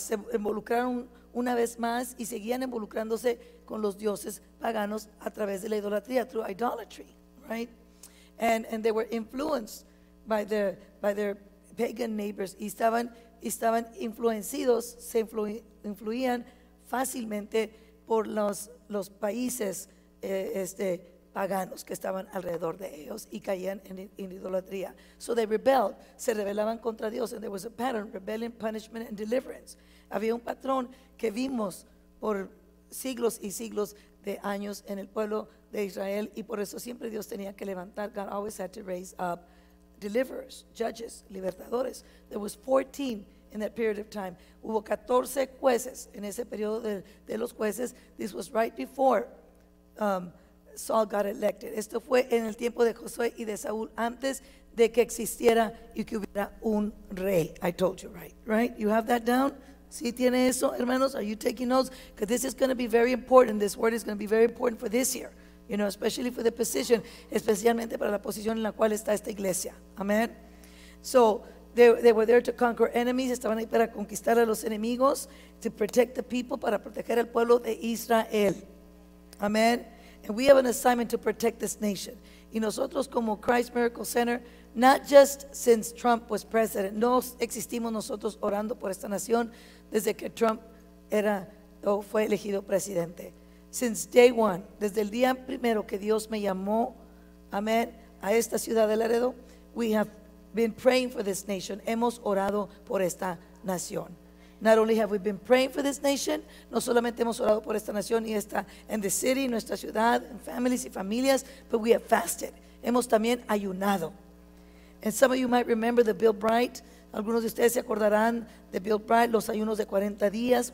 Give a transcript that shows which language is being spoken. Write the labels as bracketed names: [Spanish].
[Spanish] Se involucraron una vez más y seguían involucrándose con los dioses paganos a través de la idolatría, [English] through idolatry, right? And they were influenced by their pagan neighbors. [Spanish] Y estaban influenciados, se influían fácilmente por los países paganos que estaban alrededor de ellos y caían en idolatría. [English] So they rebelled, [Spanish] se rebelaban contra Dios, [English] and there was a pattern, rebellion, punishment, and deliverance. [Spanish] Había un patrón que vimos por siglos y siglos de años en el pueblo de Israel, y por eso siempre Dios tenía que levantar, [English] God always had to raise up deliverers, [Spanish] judges, libertadores. [English] There was 14 in that period of time. [Spanish] Hubo 14 jueces en ese periodo de los jueces. [English] This was right before Saul got elected. [Spanish] Esto fue en el tiempo de Josué y de Saúl, antes de que existiera y que hubiera un rey. [English] I told you, right? Right? You have that down? [Spanish] ¿Sí tiene eso, hermanos? [English] Are you taking notes? Because this is going to be very important. This word is going to be very important for this year. You know, especially for the position, [Spanish] especialmente para la posición en la cual está esta iglesia. Amen. [English] So, they were there to conquer enemies. [Spanish] Estaban ahí para conquistar a los enemigos, [English] to protect the people, [Spanish] para proteger al pueblo de Israel. Amen. [English] And we have an assignment to protect this nation. [Spanish] Y nosotros como Christ Miracle Center, [English] not just since Trump was president, [Spanish] no existimos nosotros orando por esta nación desde que Trump era o fue elegido presidente. [English] Since day one, [Spanish] desde el día primero que Dios me llamó, amén, a esta ciudad de Laredo, [English] we have been praying for this nation. [Spanish] Hemos orado por esta nación. [English] Not only have we been praying for this nation, [Spanish] no solamente hemos orado por esta nación y esta, [English] and the city, [Spanish] nuestra ciudad, [English] and families [Spanish] y familias, [English] but we have fasted. [Spanish] Hemos también ayunado. [English] And some of you might remember the Bill Bright. [Spanish] Algunos de ustedes se acordarán de Bill Bright, los ayunos de 40 días.